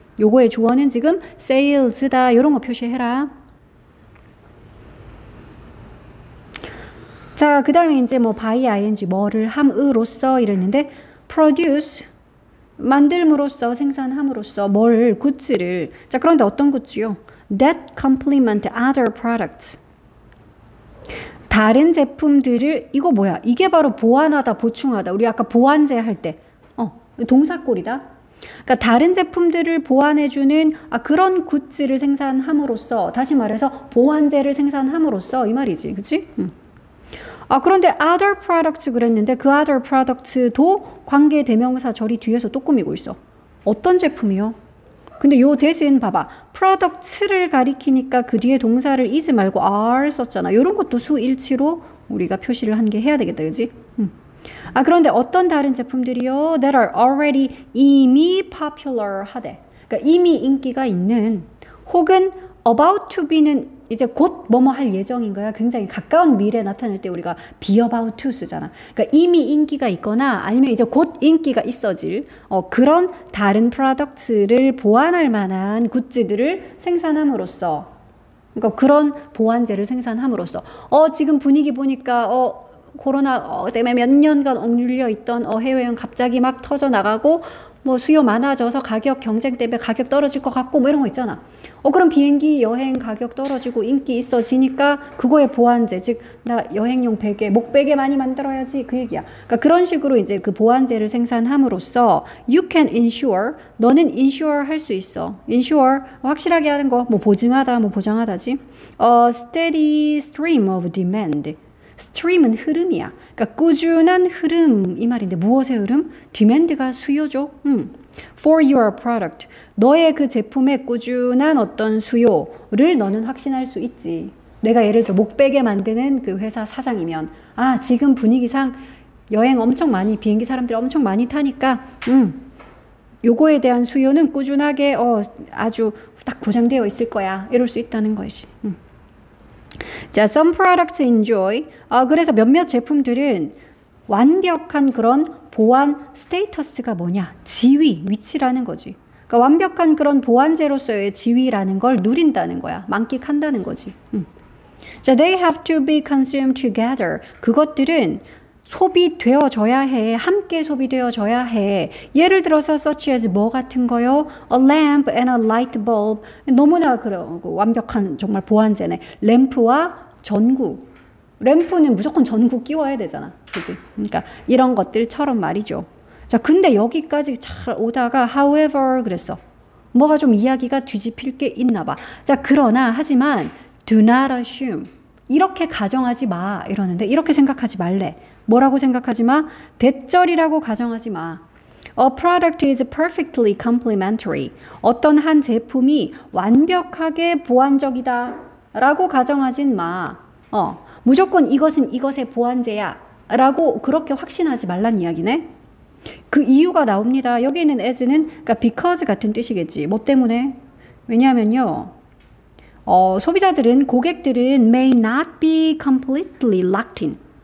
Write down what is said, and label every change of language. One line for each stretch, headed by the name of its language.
Korean: 요거의 주어는 지금 sales다. 요런 거 표시해라. 자, 그 다음에 이제 뭐 by ing 뭐를 함으로써 이랬는데 produce 만들므로써 생산함으로써 뭘 굿즈를. 자, 그런데 어떤 굿즈요?
English: That complement other products.
Korean: 다른 제품들을 이거 뭐야? 이게 바로 보완하다, 보충하다. 우리 아까 보완제 할 때, 동사골이다. 그러니까 다른 제품들을 보완해주는 그런 굿즈를 생산함으로써 다시 말해서 보완제를 생산함으로써 이 말이지, 그치? 아, 그런데
English: other products
Korean: 그랬는데 그 other products도 관계 대명사 절이 뒤에서 또 꾸미고 있어. 어떤 제품이요? 근데 요 대신 봐봐. products를 가리키니까 그 뒤에 동사를 is 말고 are 썼잖아. 요런 것도 수일치로 우리가 표시를 한게 해야 되겠다, 그지? 아, 그런데 어떤 다른 제품들이요?
English: that are already
Korean: 이미
English: popular
Korean: 하대. 그러니까 이미 인기가 있는 혹은
English: about to be
Korean: 는 이제 곧 뭐뭐 할 예정인 거야. 굉장히 가까운 미래 나타낼 때 우리가
English: be about to
Korean: 쓰잖아. 그러니까 이미 인기가 있거나 아니면 이제 곧 인기가 있어질 그런 다른 프로덕트를 보완할 만한 굿즈들을 생산함으로써. 그러니까 그런 보완제를 생산함으로써. 지금 분위기 보니까 코로나 때문에 몇 년간 억눌려 있던 해외여행 갑자기 막 터져 나가고 뭐 수요 많아져서 가격 경쟁 때문에 가격 떨어질 것 같고 뭐 이런 거 있잖아. 그럼 비행기 여행 가격 떨어지고 인기 있어지니까 그거에 보완제, 즉나 여행용 베개, 목베개 많이 만들어야지 그 얘기야. 그러니까 그런 식으로 이제 그 보완제를 생산함으로써
English: you can ensure
Korean: 너는 ensure 할수 있어. ensure 확실하게 하는 거, 뭐 보증하다, 뭐 보장하다지.
English: A steady stream of demand.
Korean: stream은 흐름이야. 그러니까 꾸준한 흐름 이 말인데 무엇의 흐름? demand가 수요죠.
English: For your product.
Korean: 너의 그 제품의 꾸준한 어떤 수요를 너는 확신할 수 있지. 내가 예를 들어 목베개 만드는 그 회사 사장이면 아, 지금 분위기상 여행 엄청 많이 비행기 사람들이 엄청 많이 타니까 요거에 대한 수요는 꾸준하게 아주 딱 보장되어 있을 거야. 이럴 수 있다는 것이. 자,
English: some products enjoy.
Korean: 그래서 몇몇 제품들은 완벽한 그런 보완 스테이터스가 뭐냐? 지위, 위치라는 거지. 그러니까 완벽한 그런 보완제로서의 지위라는 걸 누린다는 거야. 만끽한다는 거지.
English: 자, they have to be consumed together.
Korean: 그것들은 소비되어져야 해. 함께 소비되어져야 해. 예를 들어서
English: such as
Korean: 뭐 같은 거요?
English: A lamp and a light bulb.
Korean: 너무나 그런 완벽한 정말 보완제네. 램프와 전구. 램프는 무조건 전구 끼워야 되잖아. 그지? 그러니까 이런 것들처럼 말이죠. 자, 근데 여기까지 잘 오다가 however 그랬어. 뭐가 좀 이야기가 뒤집힐 게 있나 봐. 자, 그러나 하지만
English: do not assume.
Korean: 이렇게 가정하지 마. 이러는데 이렇게 생각하지 말래. 뭐라고 생각하지 마? 대절이라고 가정하지 마.
English: A product is perfectly complementary.
Korean: 어떤 한 제품이 완벽하게 보완적이다 라고 가정하진 마. 무조건 이것은 이것의 보완제야 라고 그렇게 확신하지 말란 이야기네. 그 이유가 나옵니다. 여기 있는 as는 그러니까 because 같은 뜻이겠지. 뭐 때문에? 왜냐하면요. 소비자들은, 고객들은
English: may not be completely locked in.